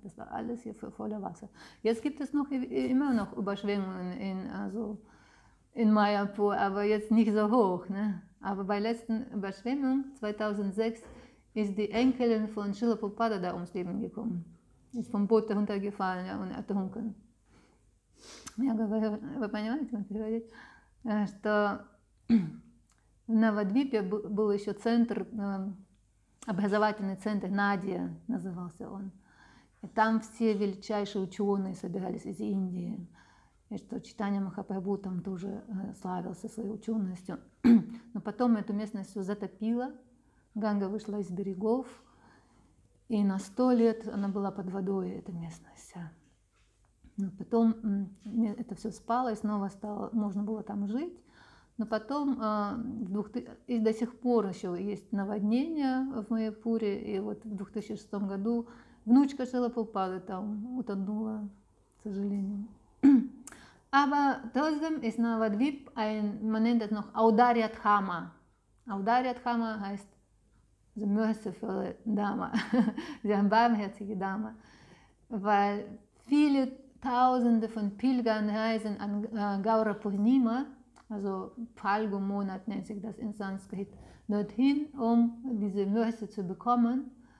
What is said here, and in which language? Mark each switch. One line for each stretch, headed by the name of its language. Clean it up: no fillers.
German: Das war alles hier für voller Wasser. Jetzt gibt es noch immer noch Überschwemmungen in Mayapur, aber jetzt nicht so hoch, ne. Aber bei letzten Überschwemmung 2006 ist die Enkelin von Srila Prabhupada da ums Leben gekommen. Ist vom Boot heruntergefallen, ja, und ertrunken.
Russian: Я говорю, вы понимаете, как переводить, что в Навадвипе был еще центр, образовательный центр, Надия назывался он. И там все величайшие ученые собирались из Индии. И что Чайтанья Махапрабху там тоже славился своей ученостью. Но потом эту местность все затопило. Ганга вышла из берегов. И на 100 лет она была под водой, эта местность вся. Но потом это все спало, и снова стало, можно было там жить. Но потом, и до сих пор еще есть наводнение в Майяпуре, и вот в 2006 году внучка Шрилы Прабхупады там утонула, к сожалению.
German: Aber trotzdem ist Navadvip ein, man nennt es noch Audariadhama. Audariadhama heißt
English: the merciful Dama,
German: die barmherzige Dama, weil viele Tausende von Pilgern reisen an Gaura Purnima, also Phalgu-Monat nennt sich das in Sanskrit, dorthin, um diese Mercy zu bekommen.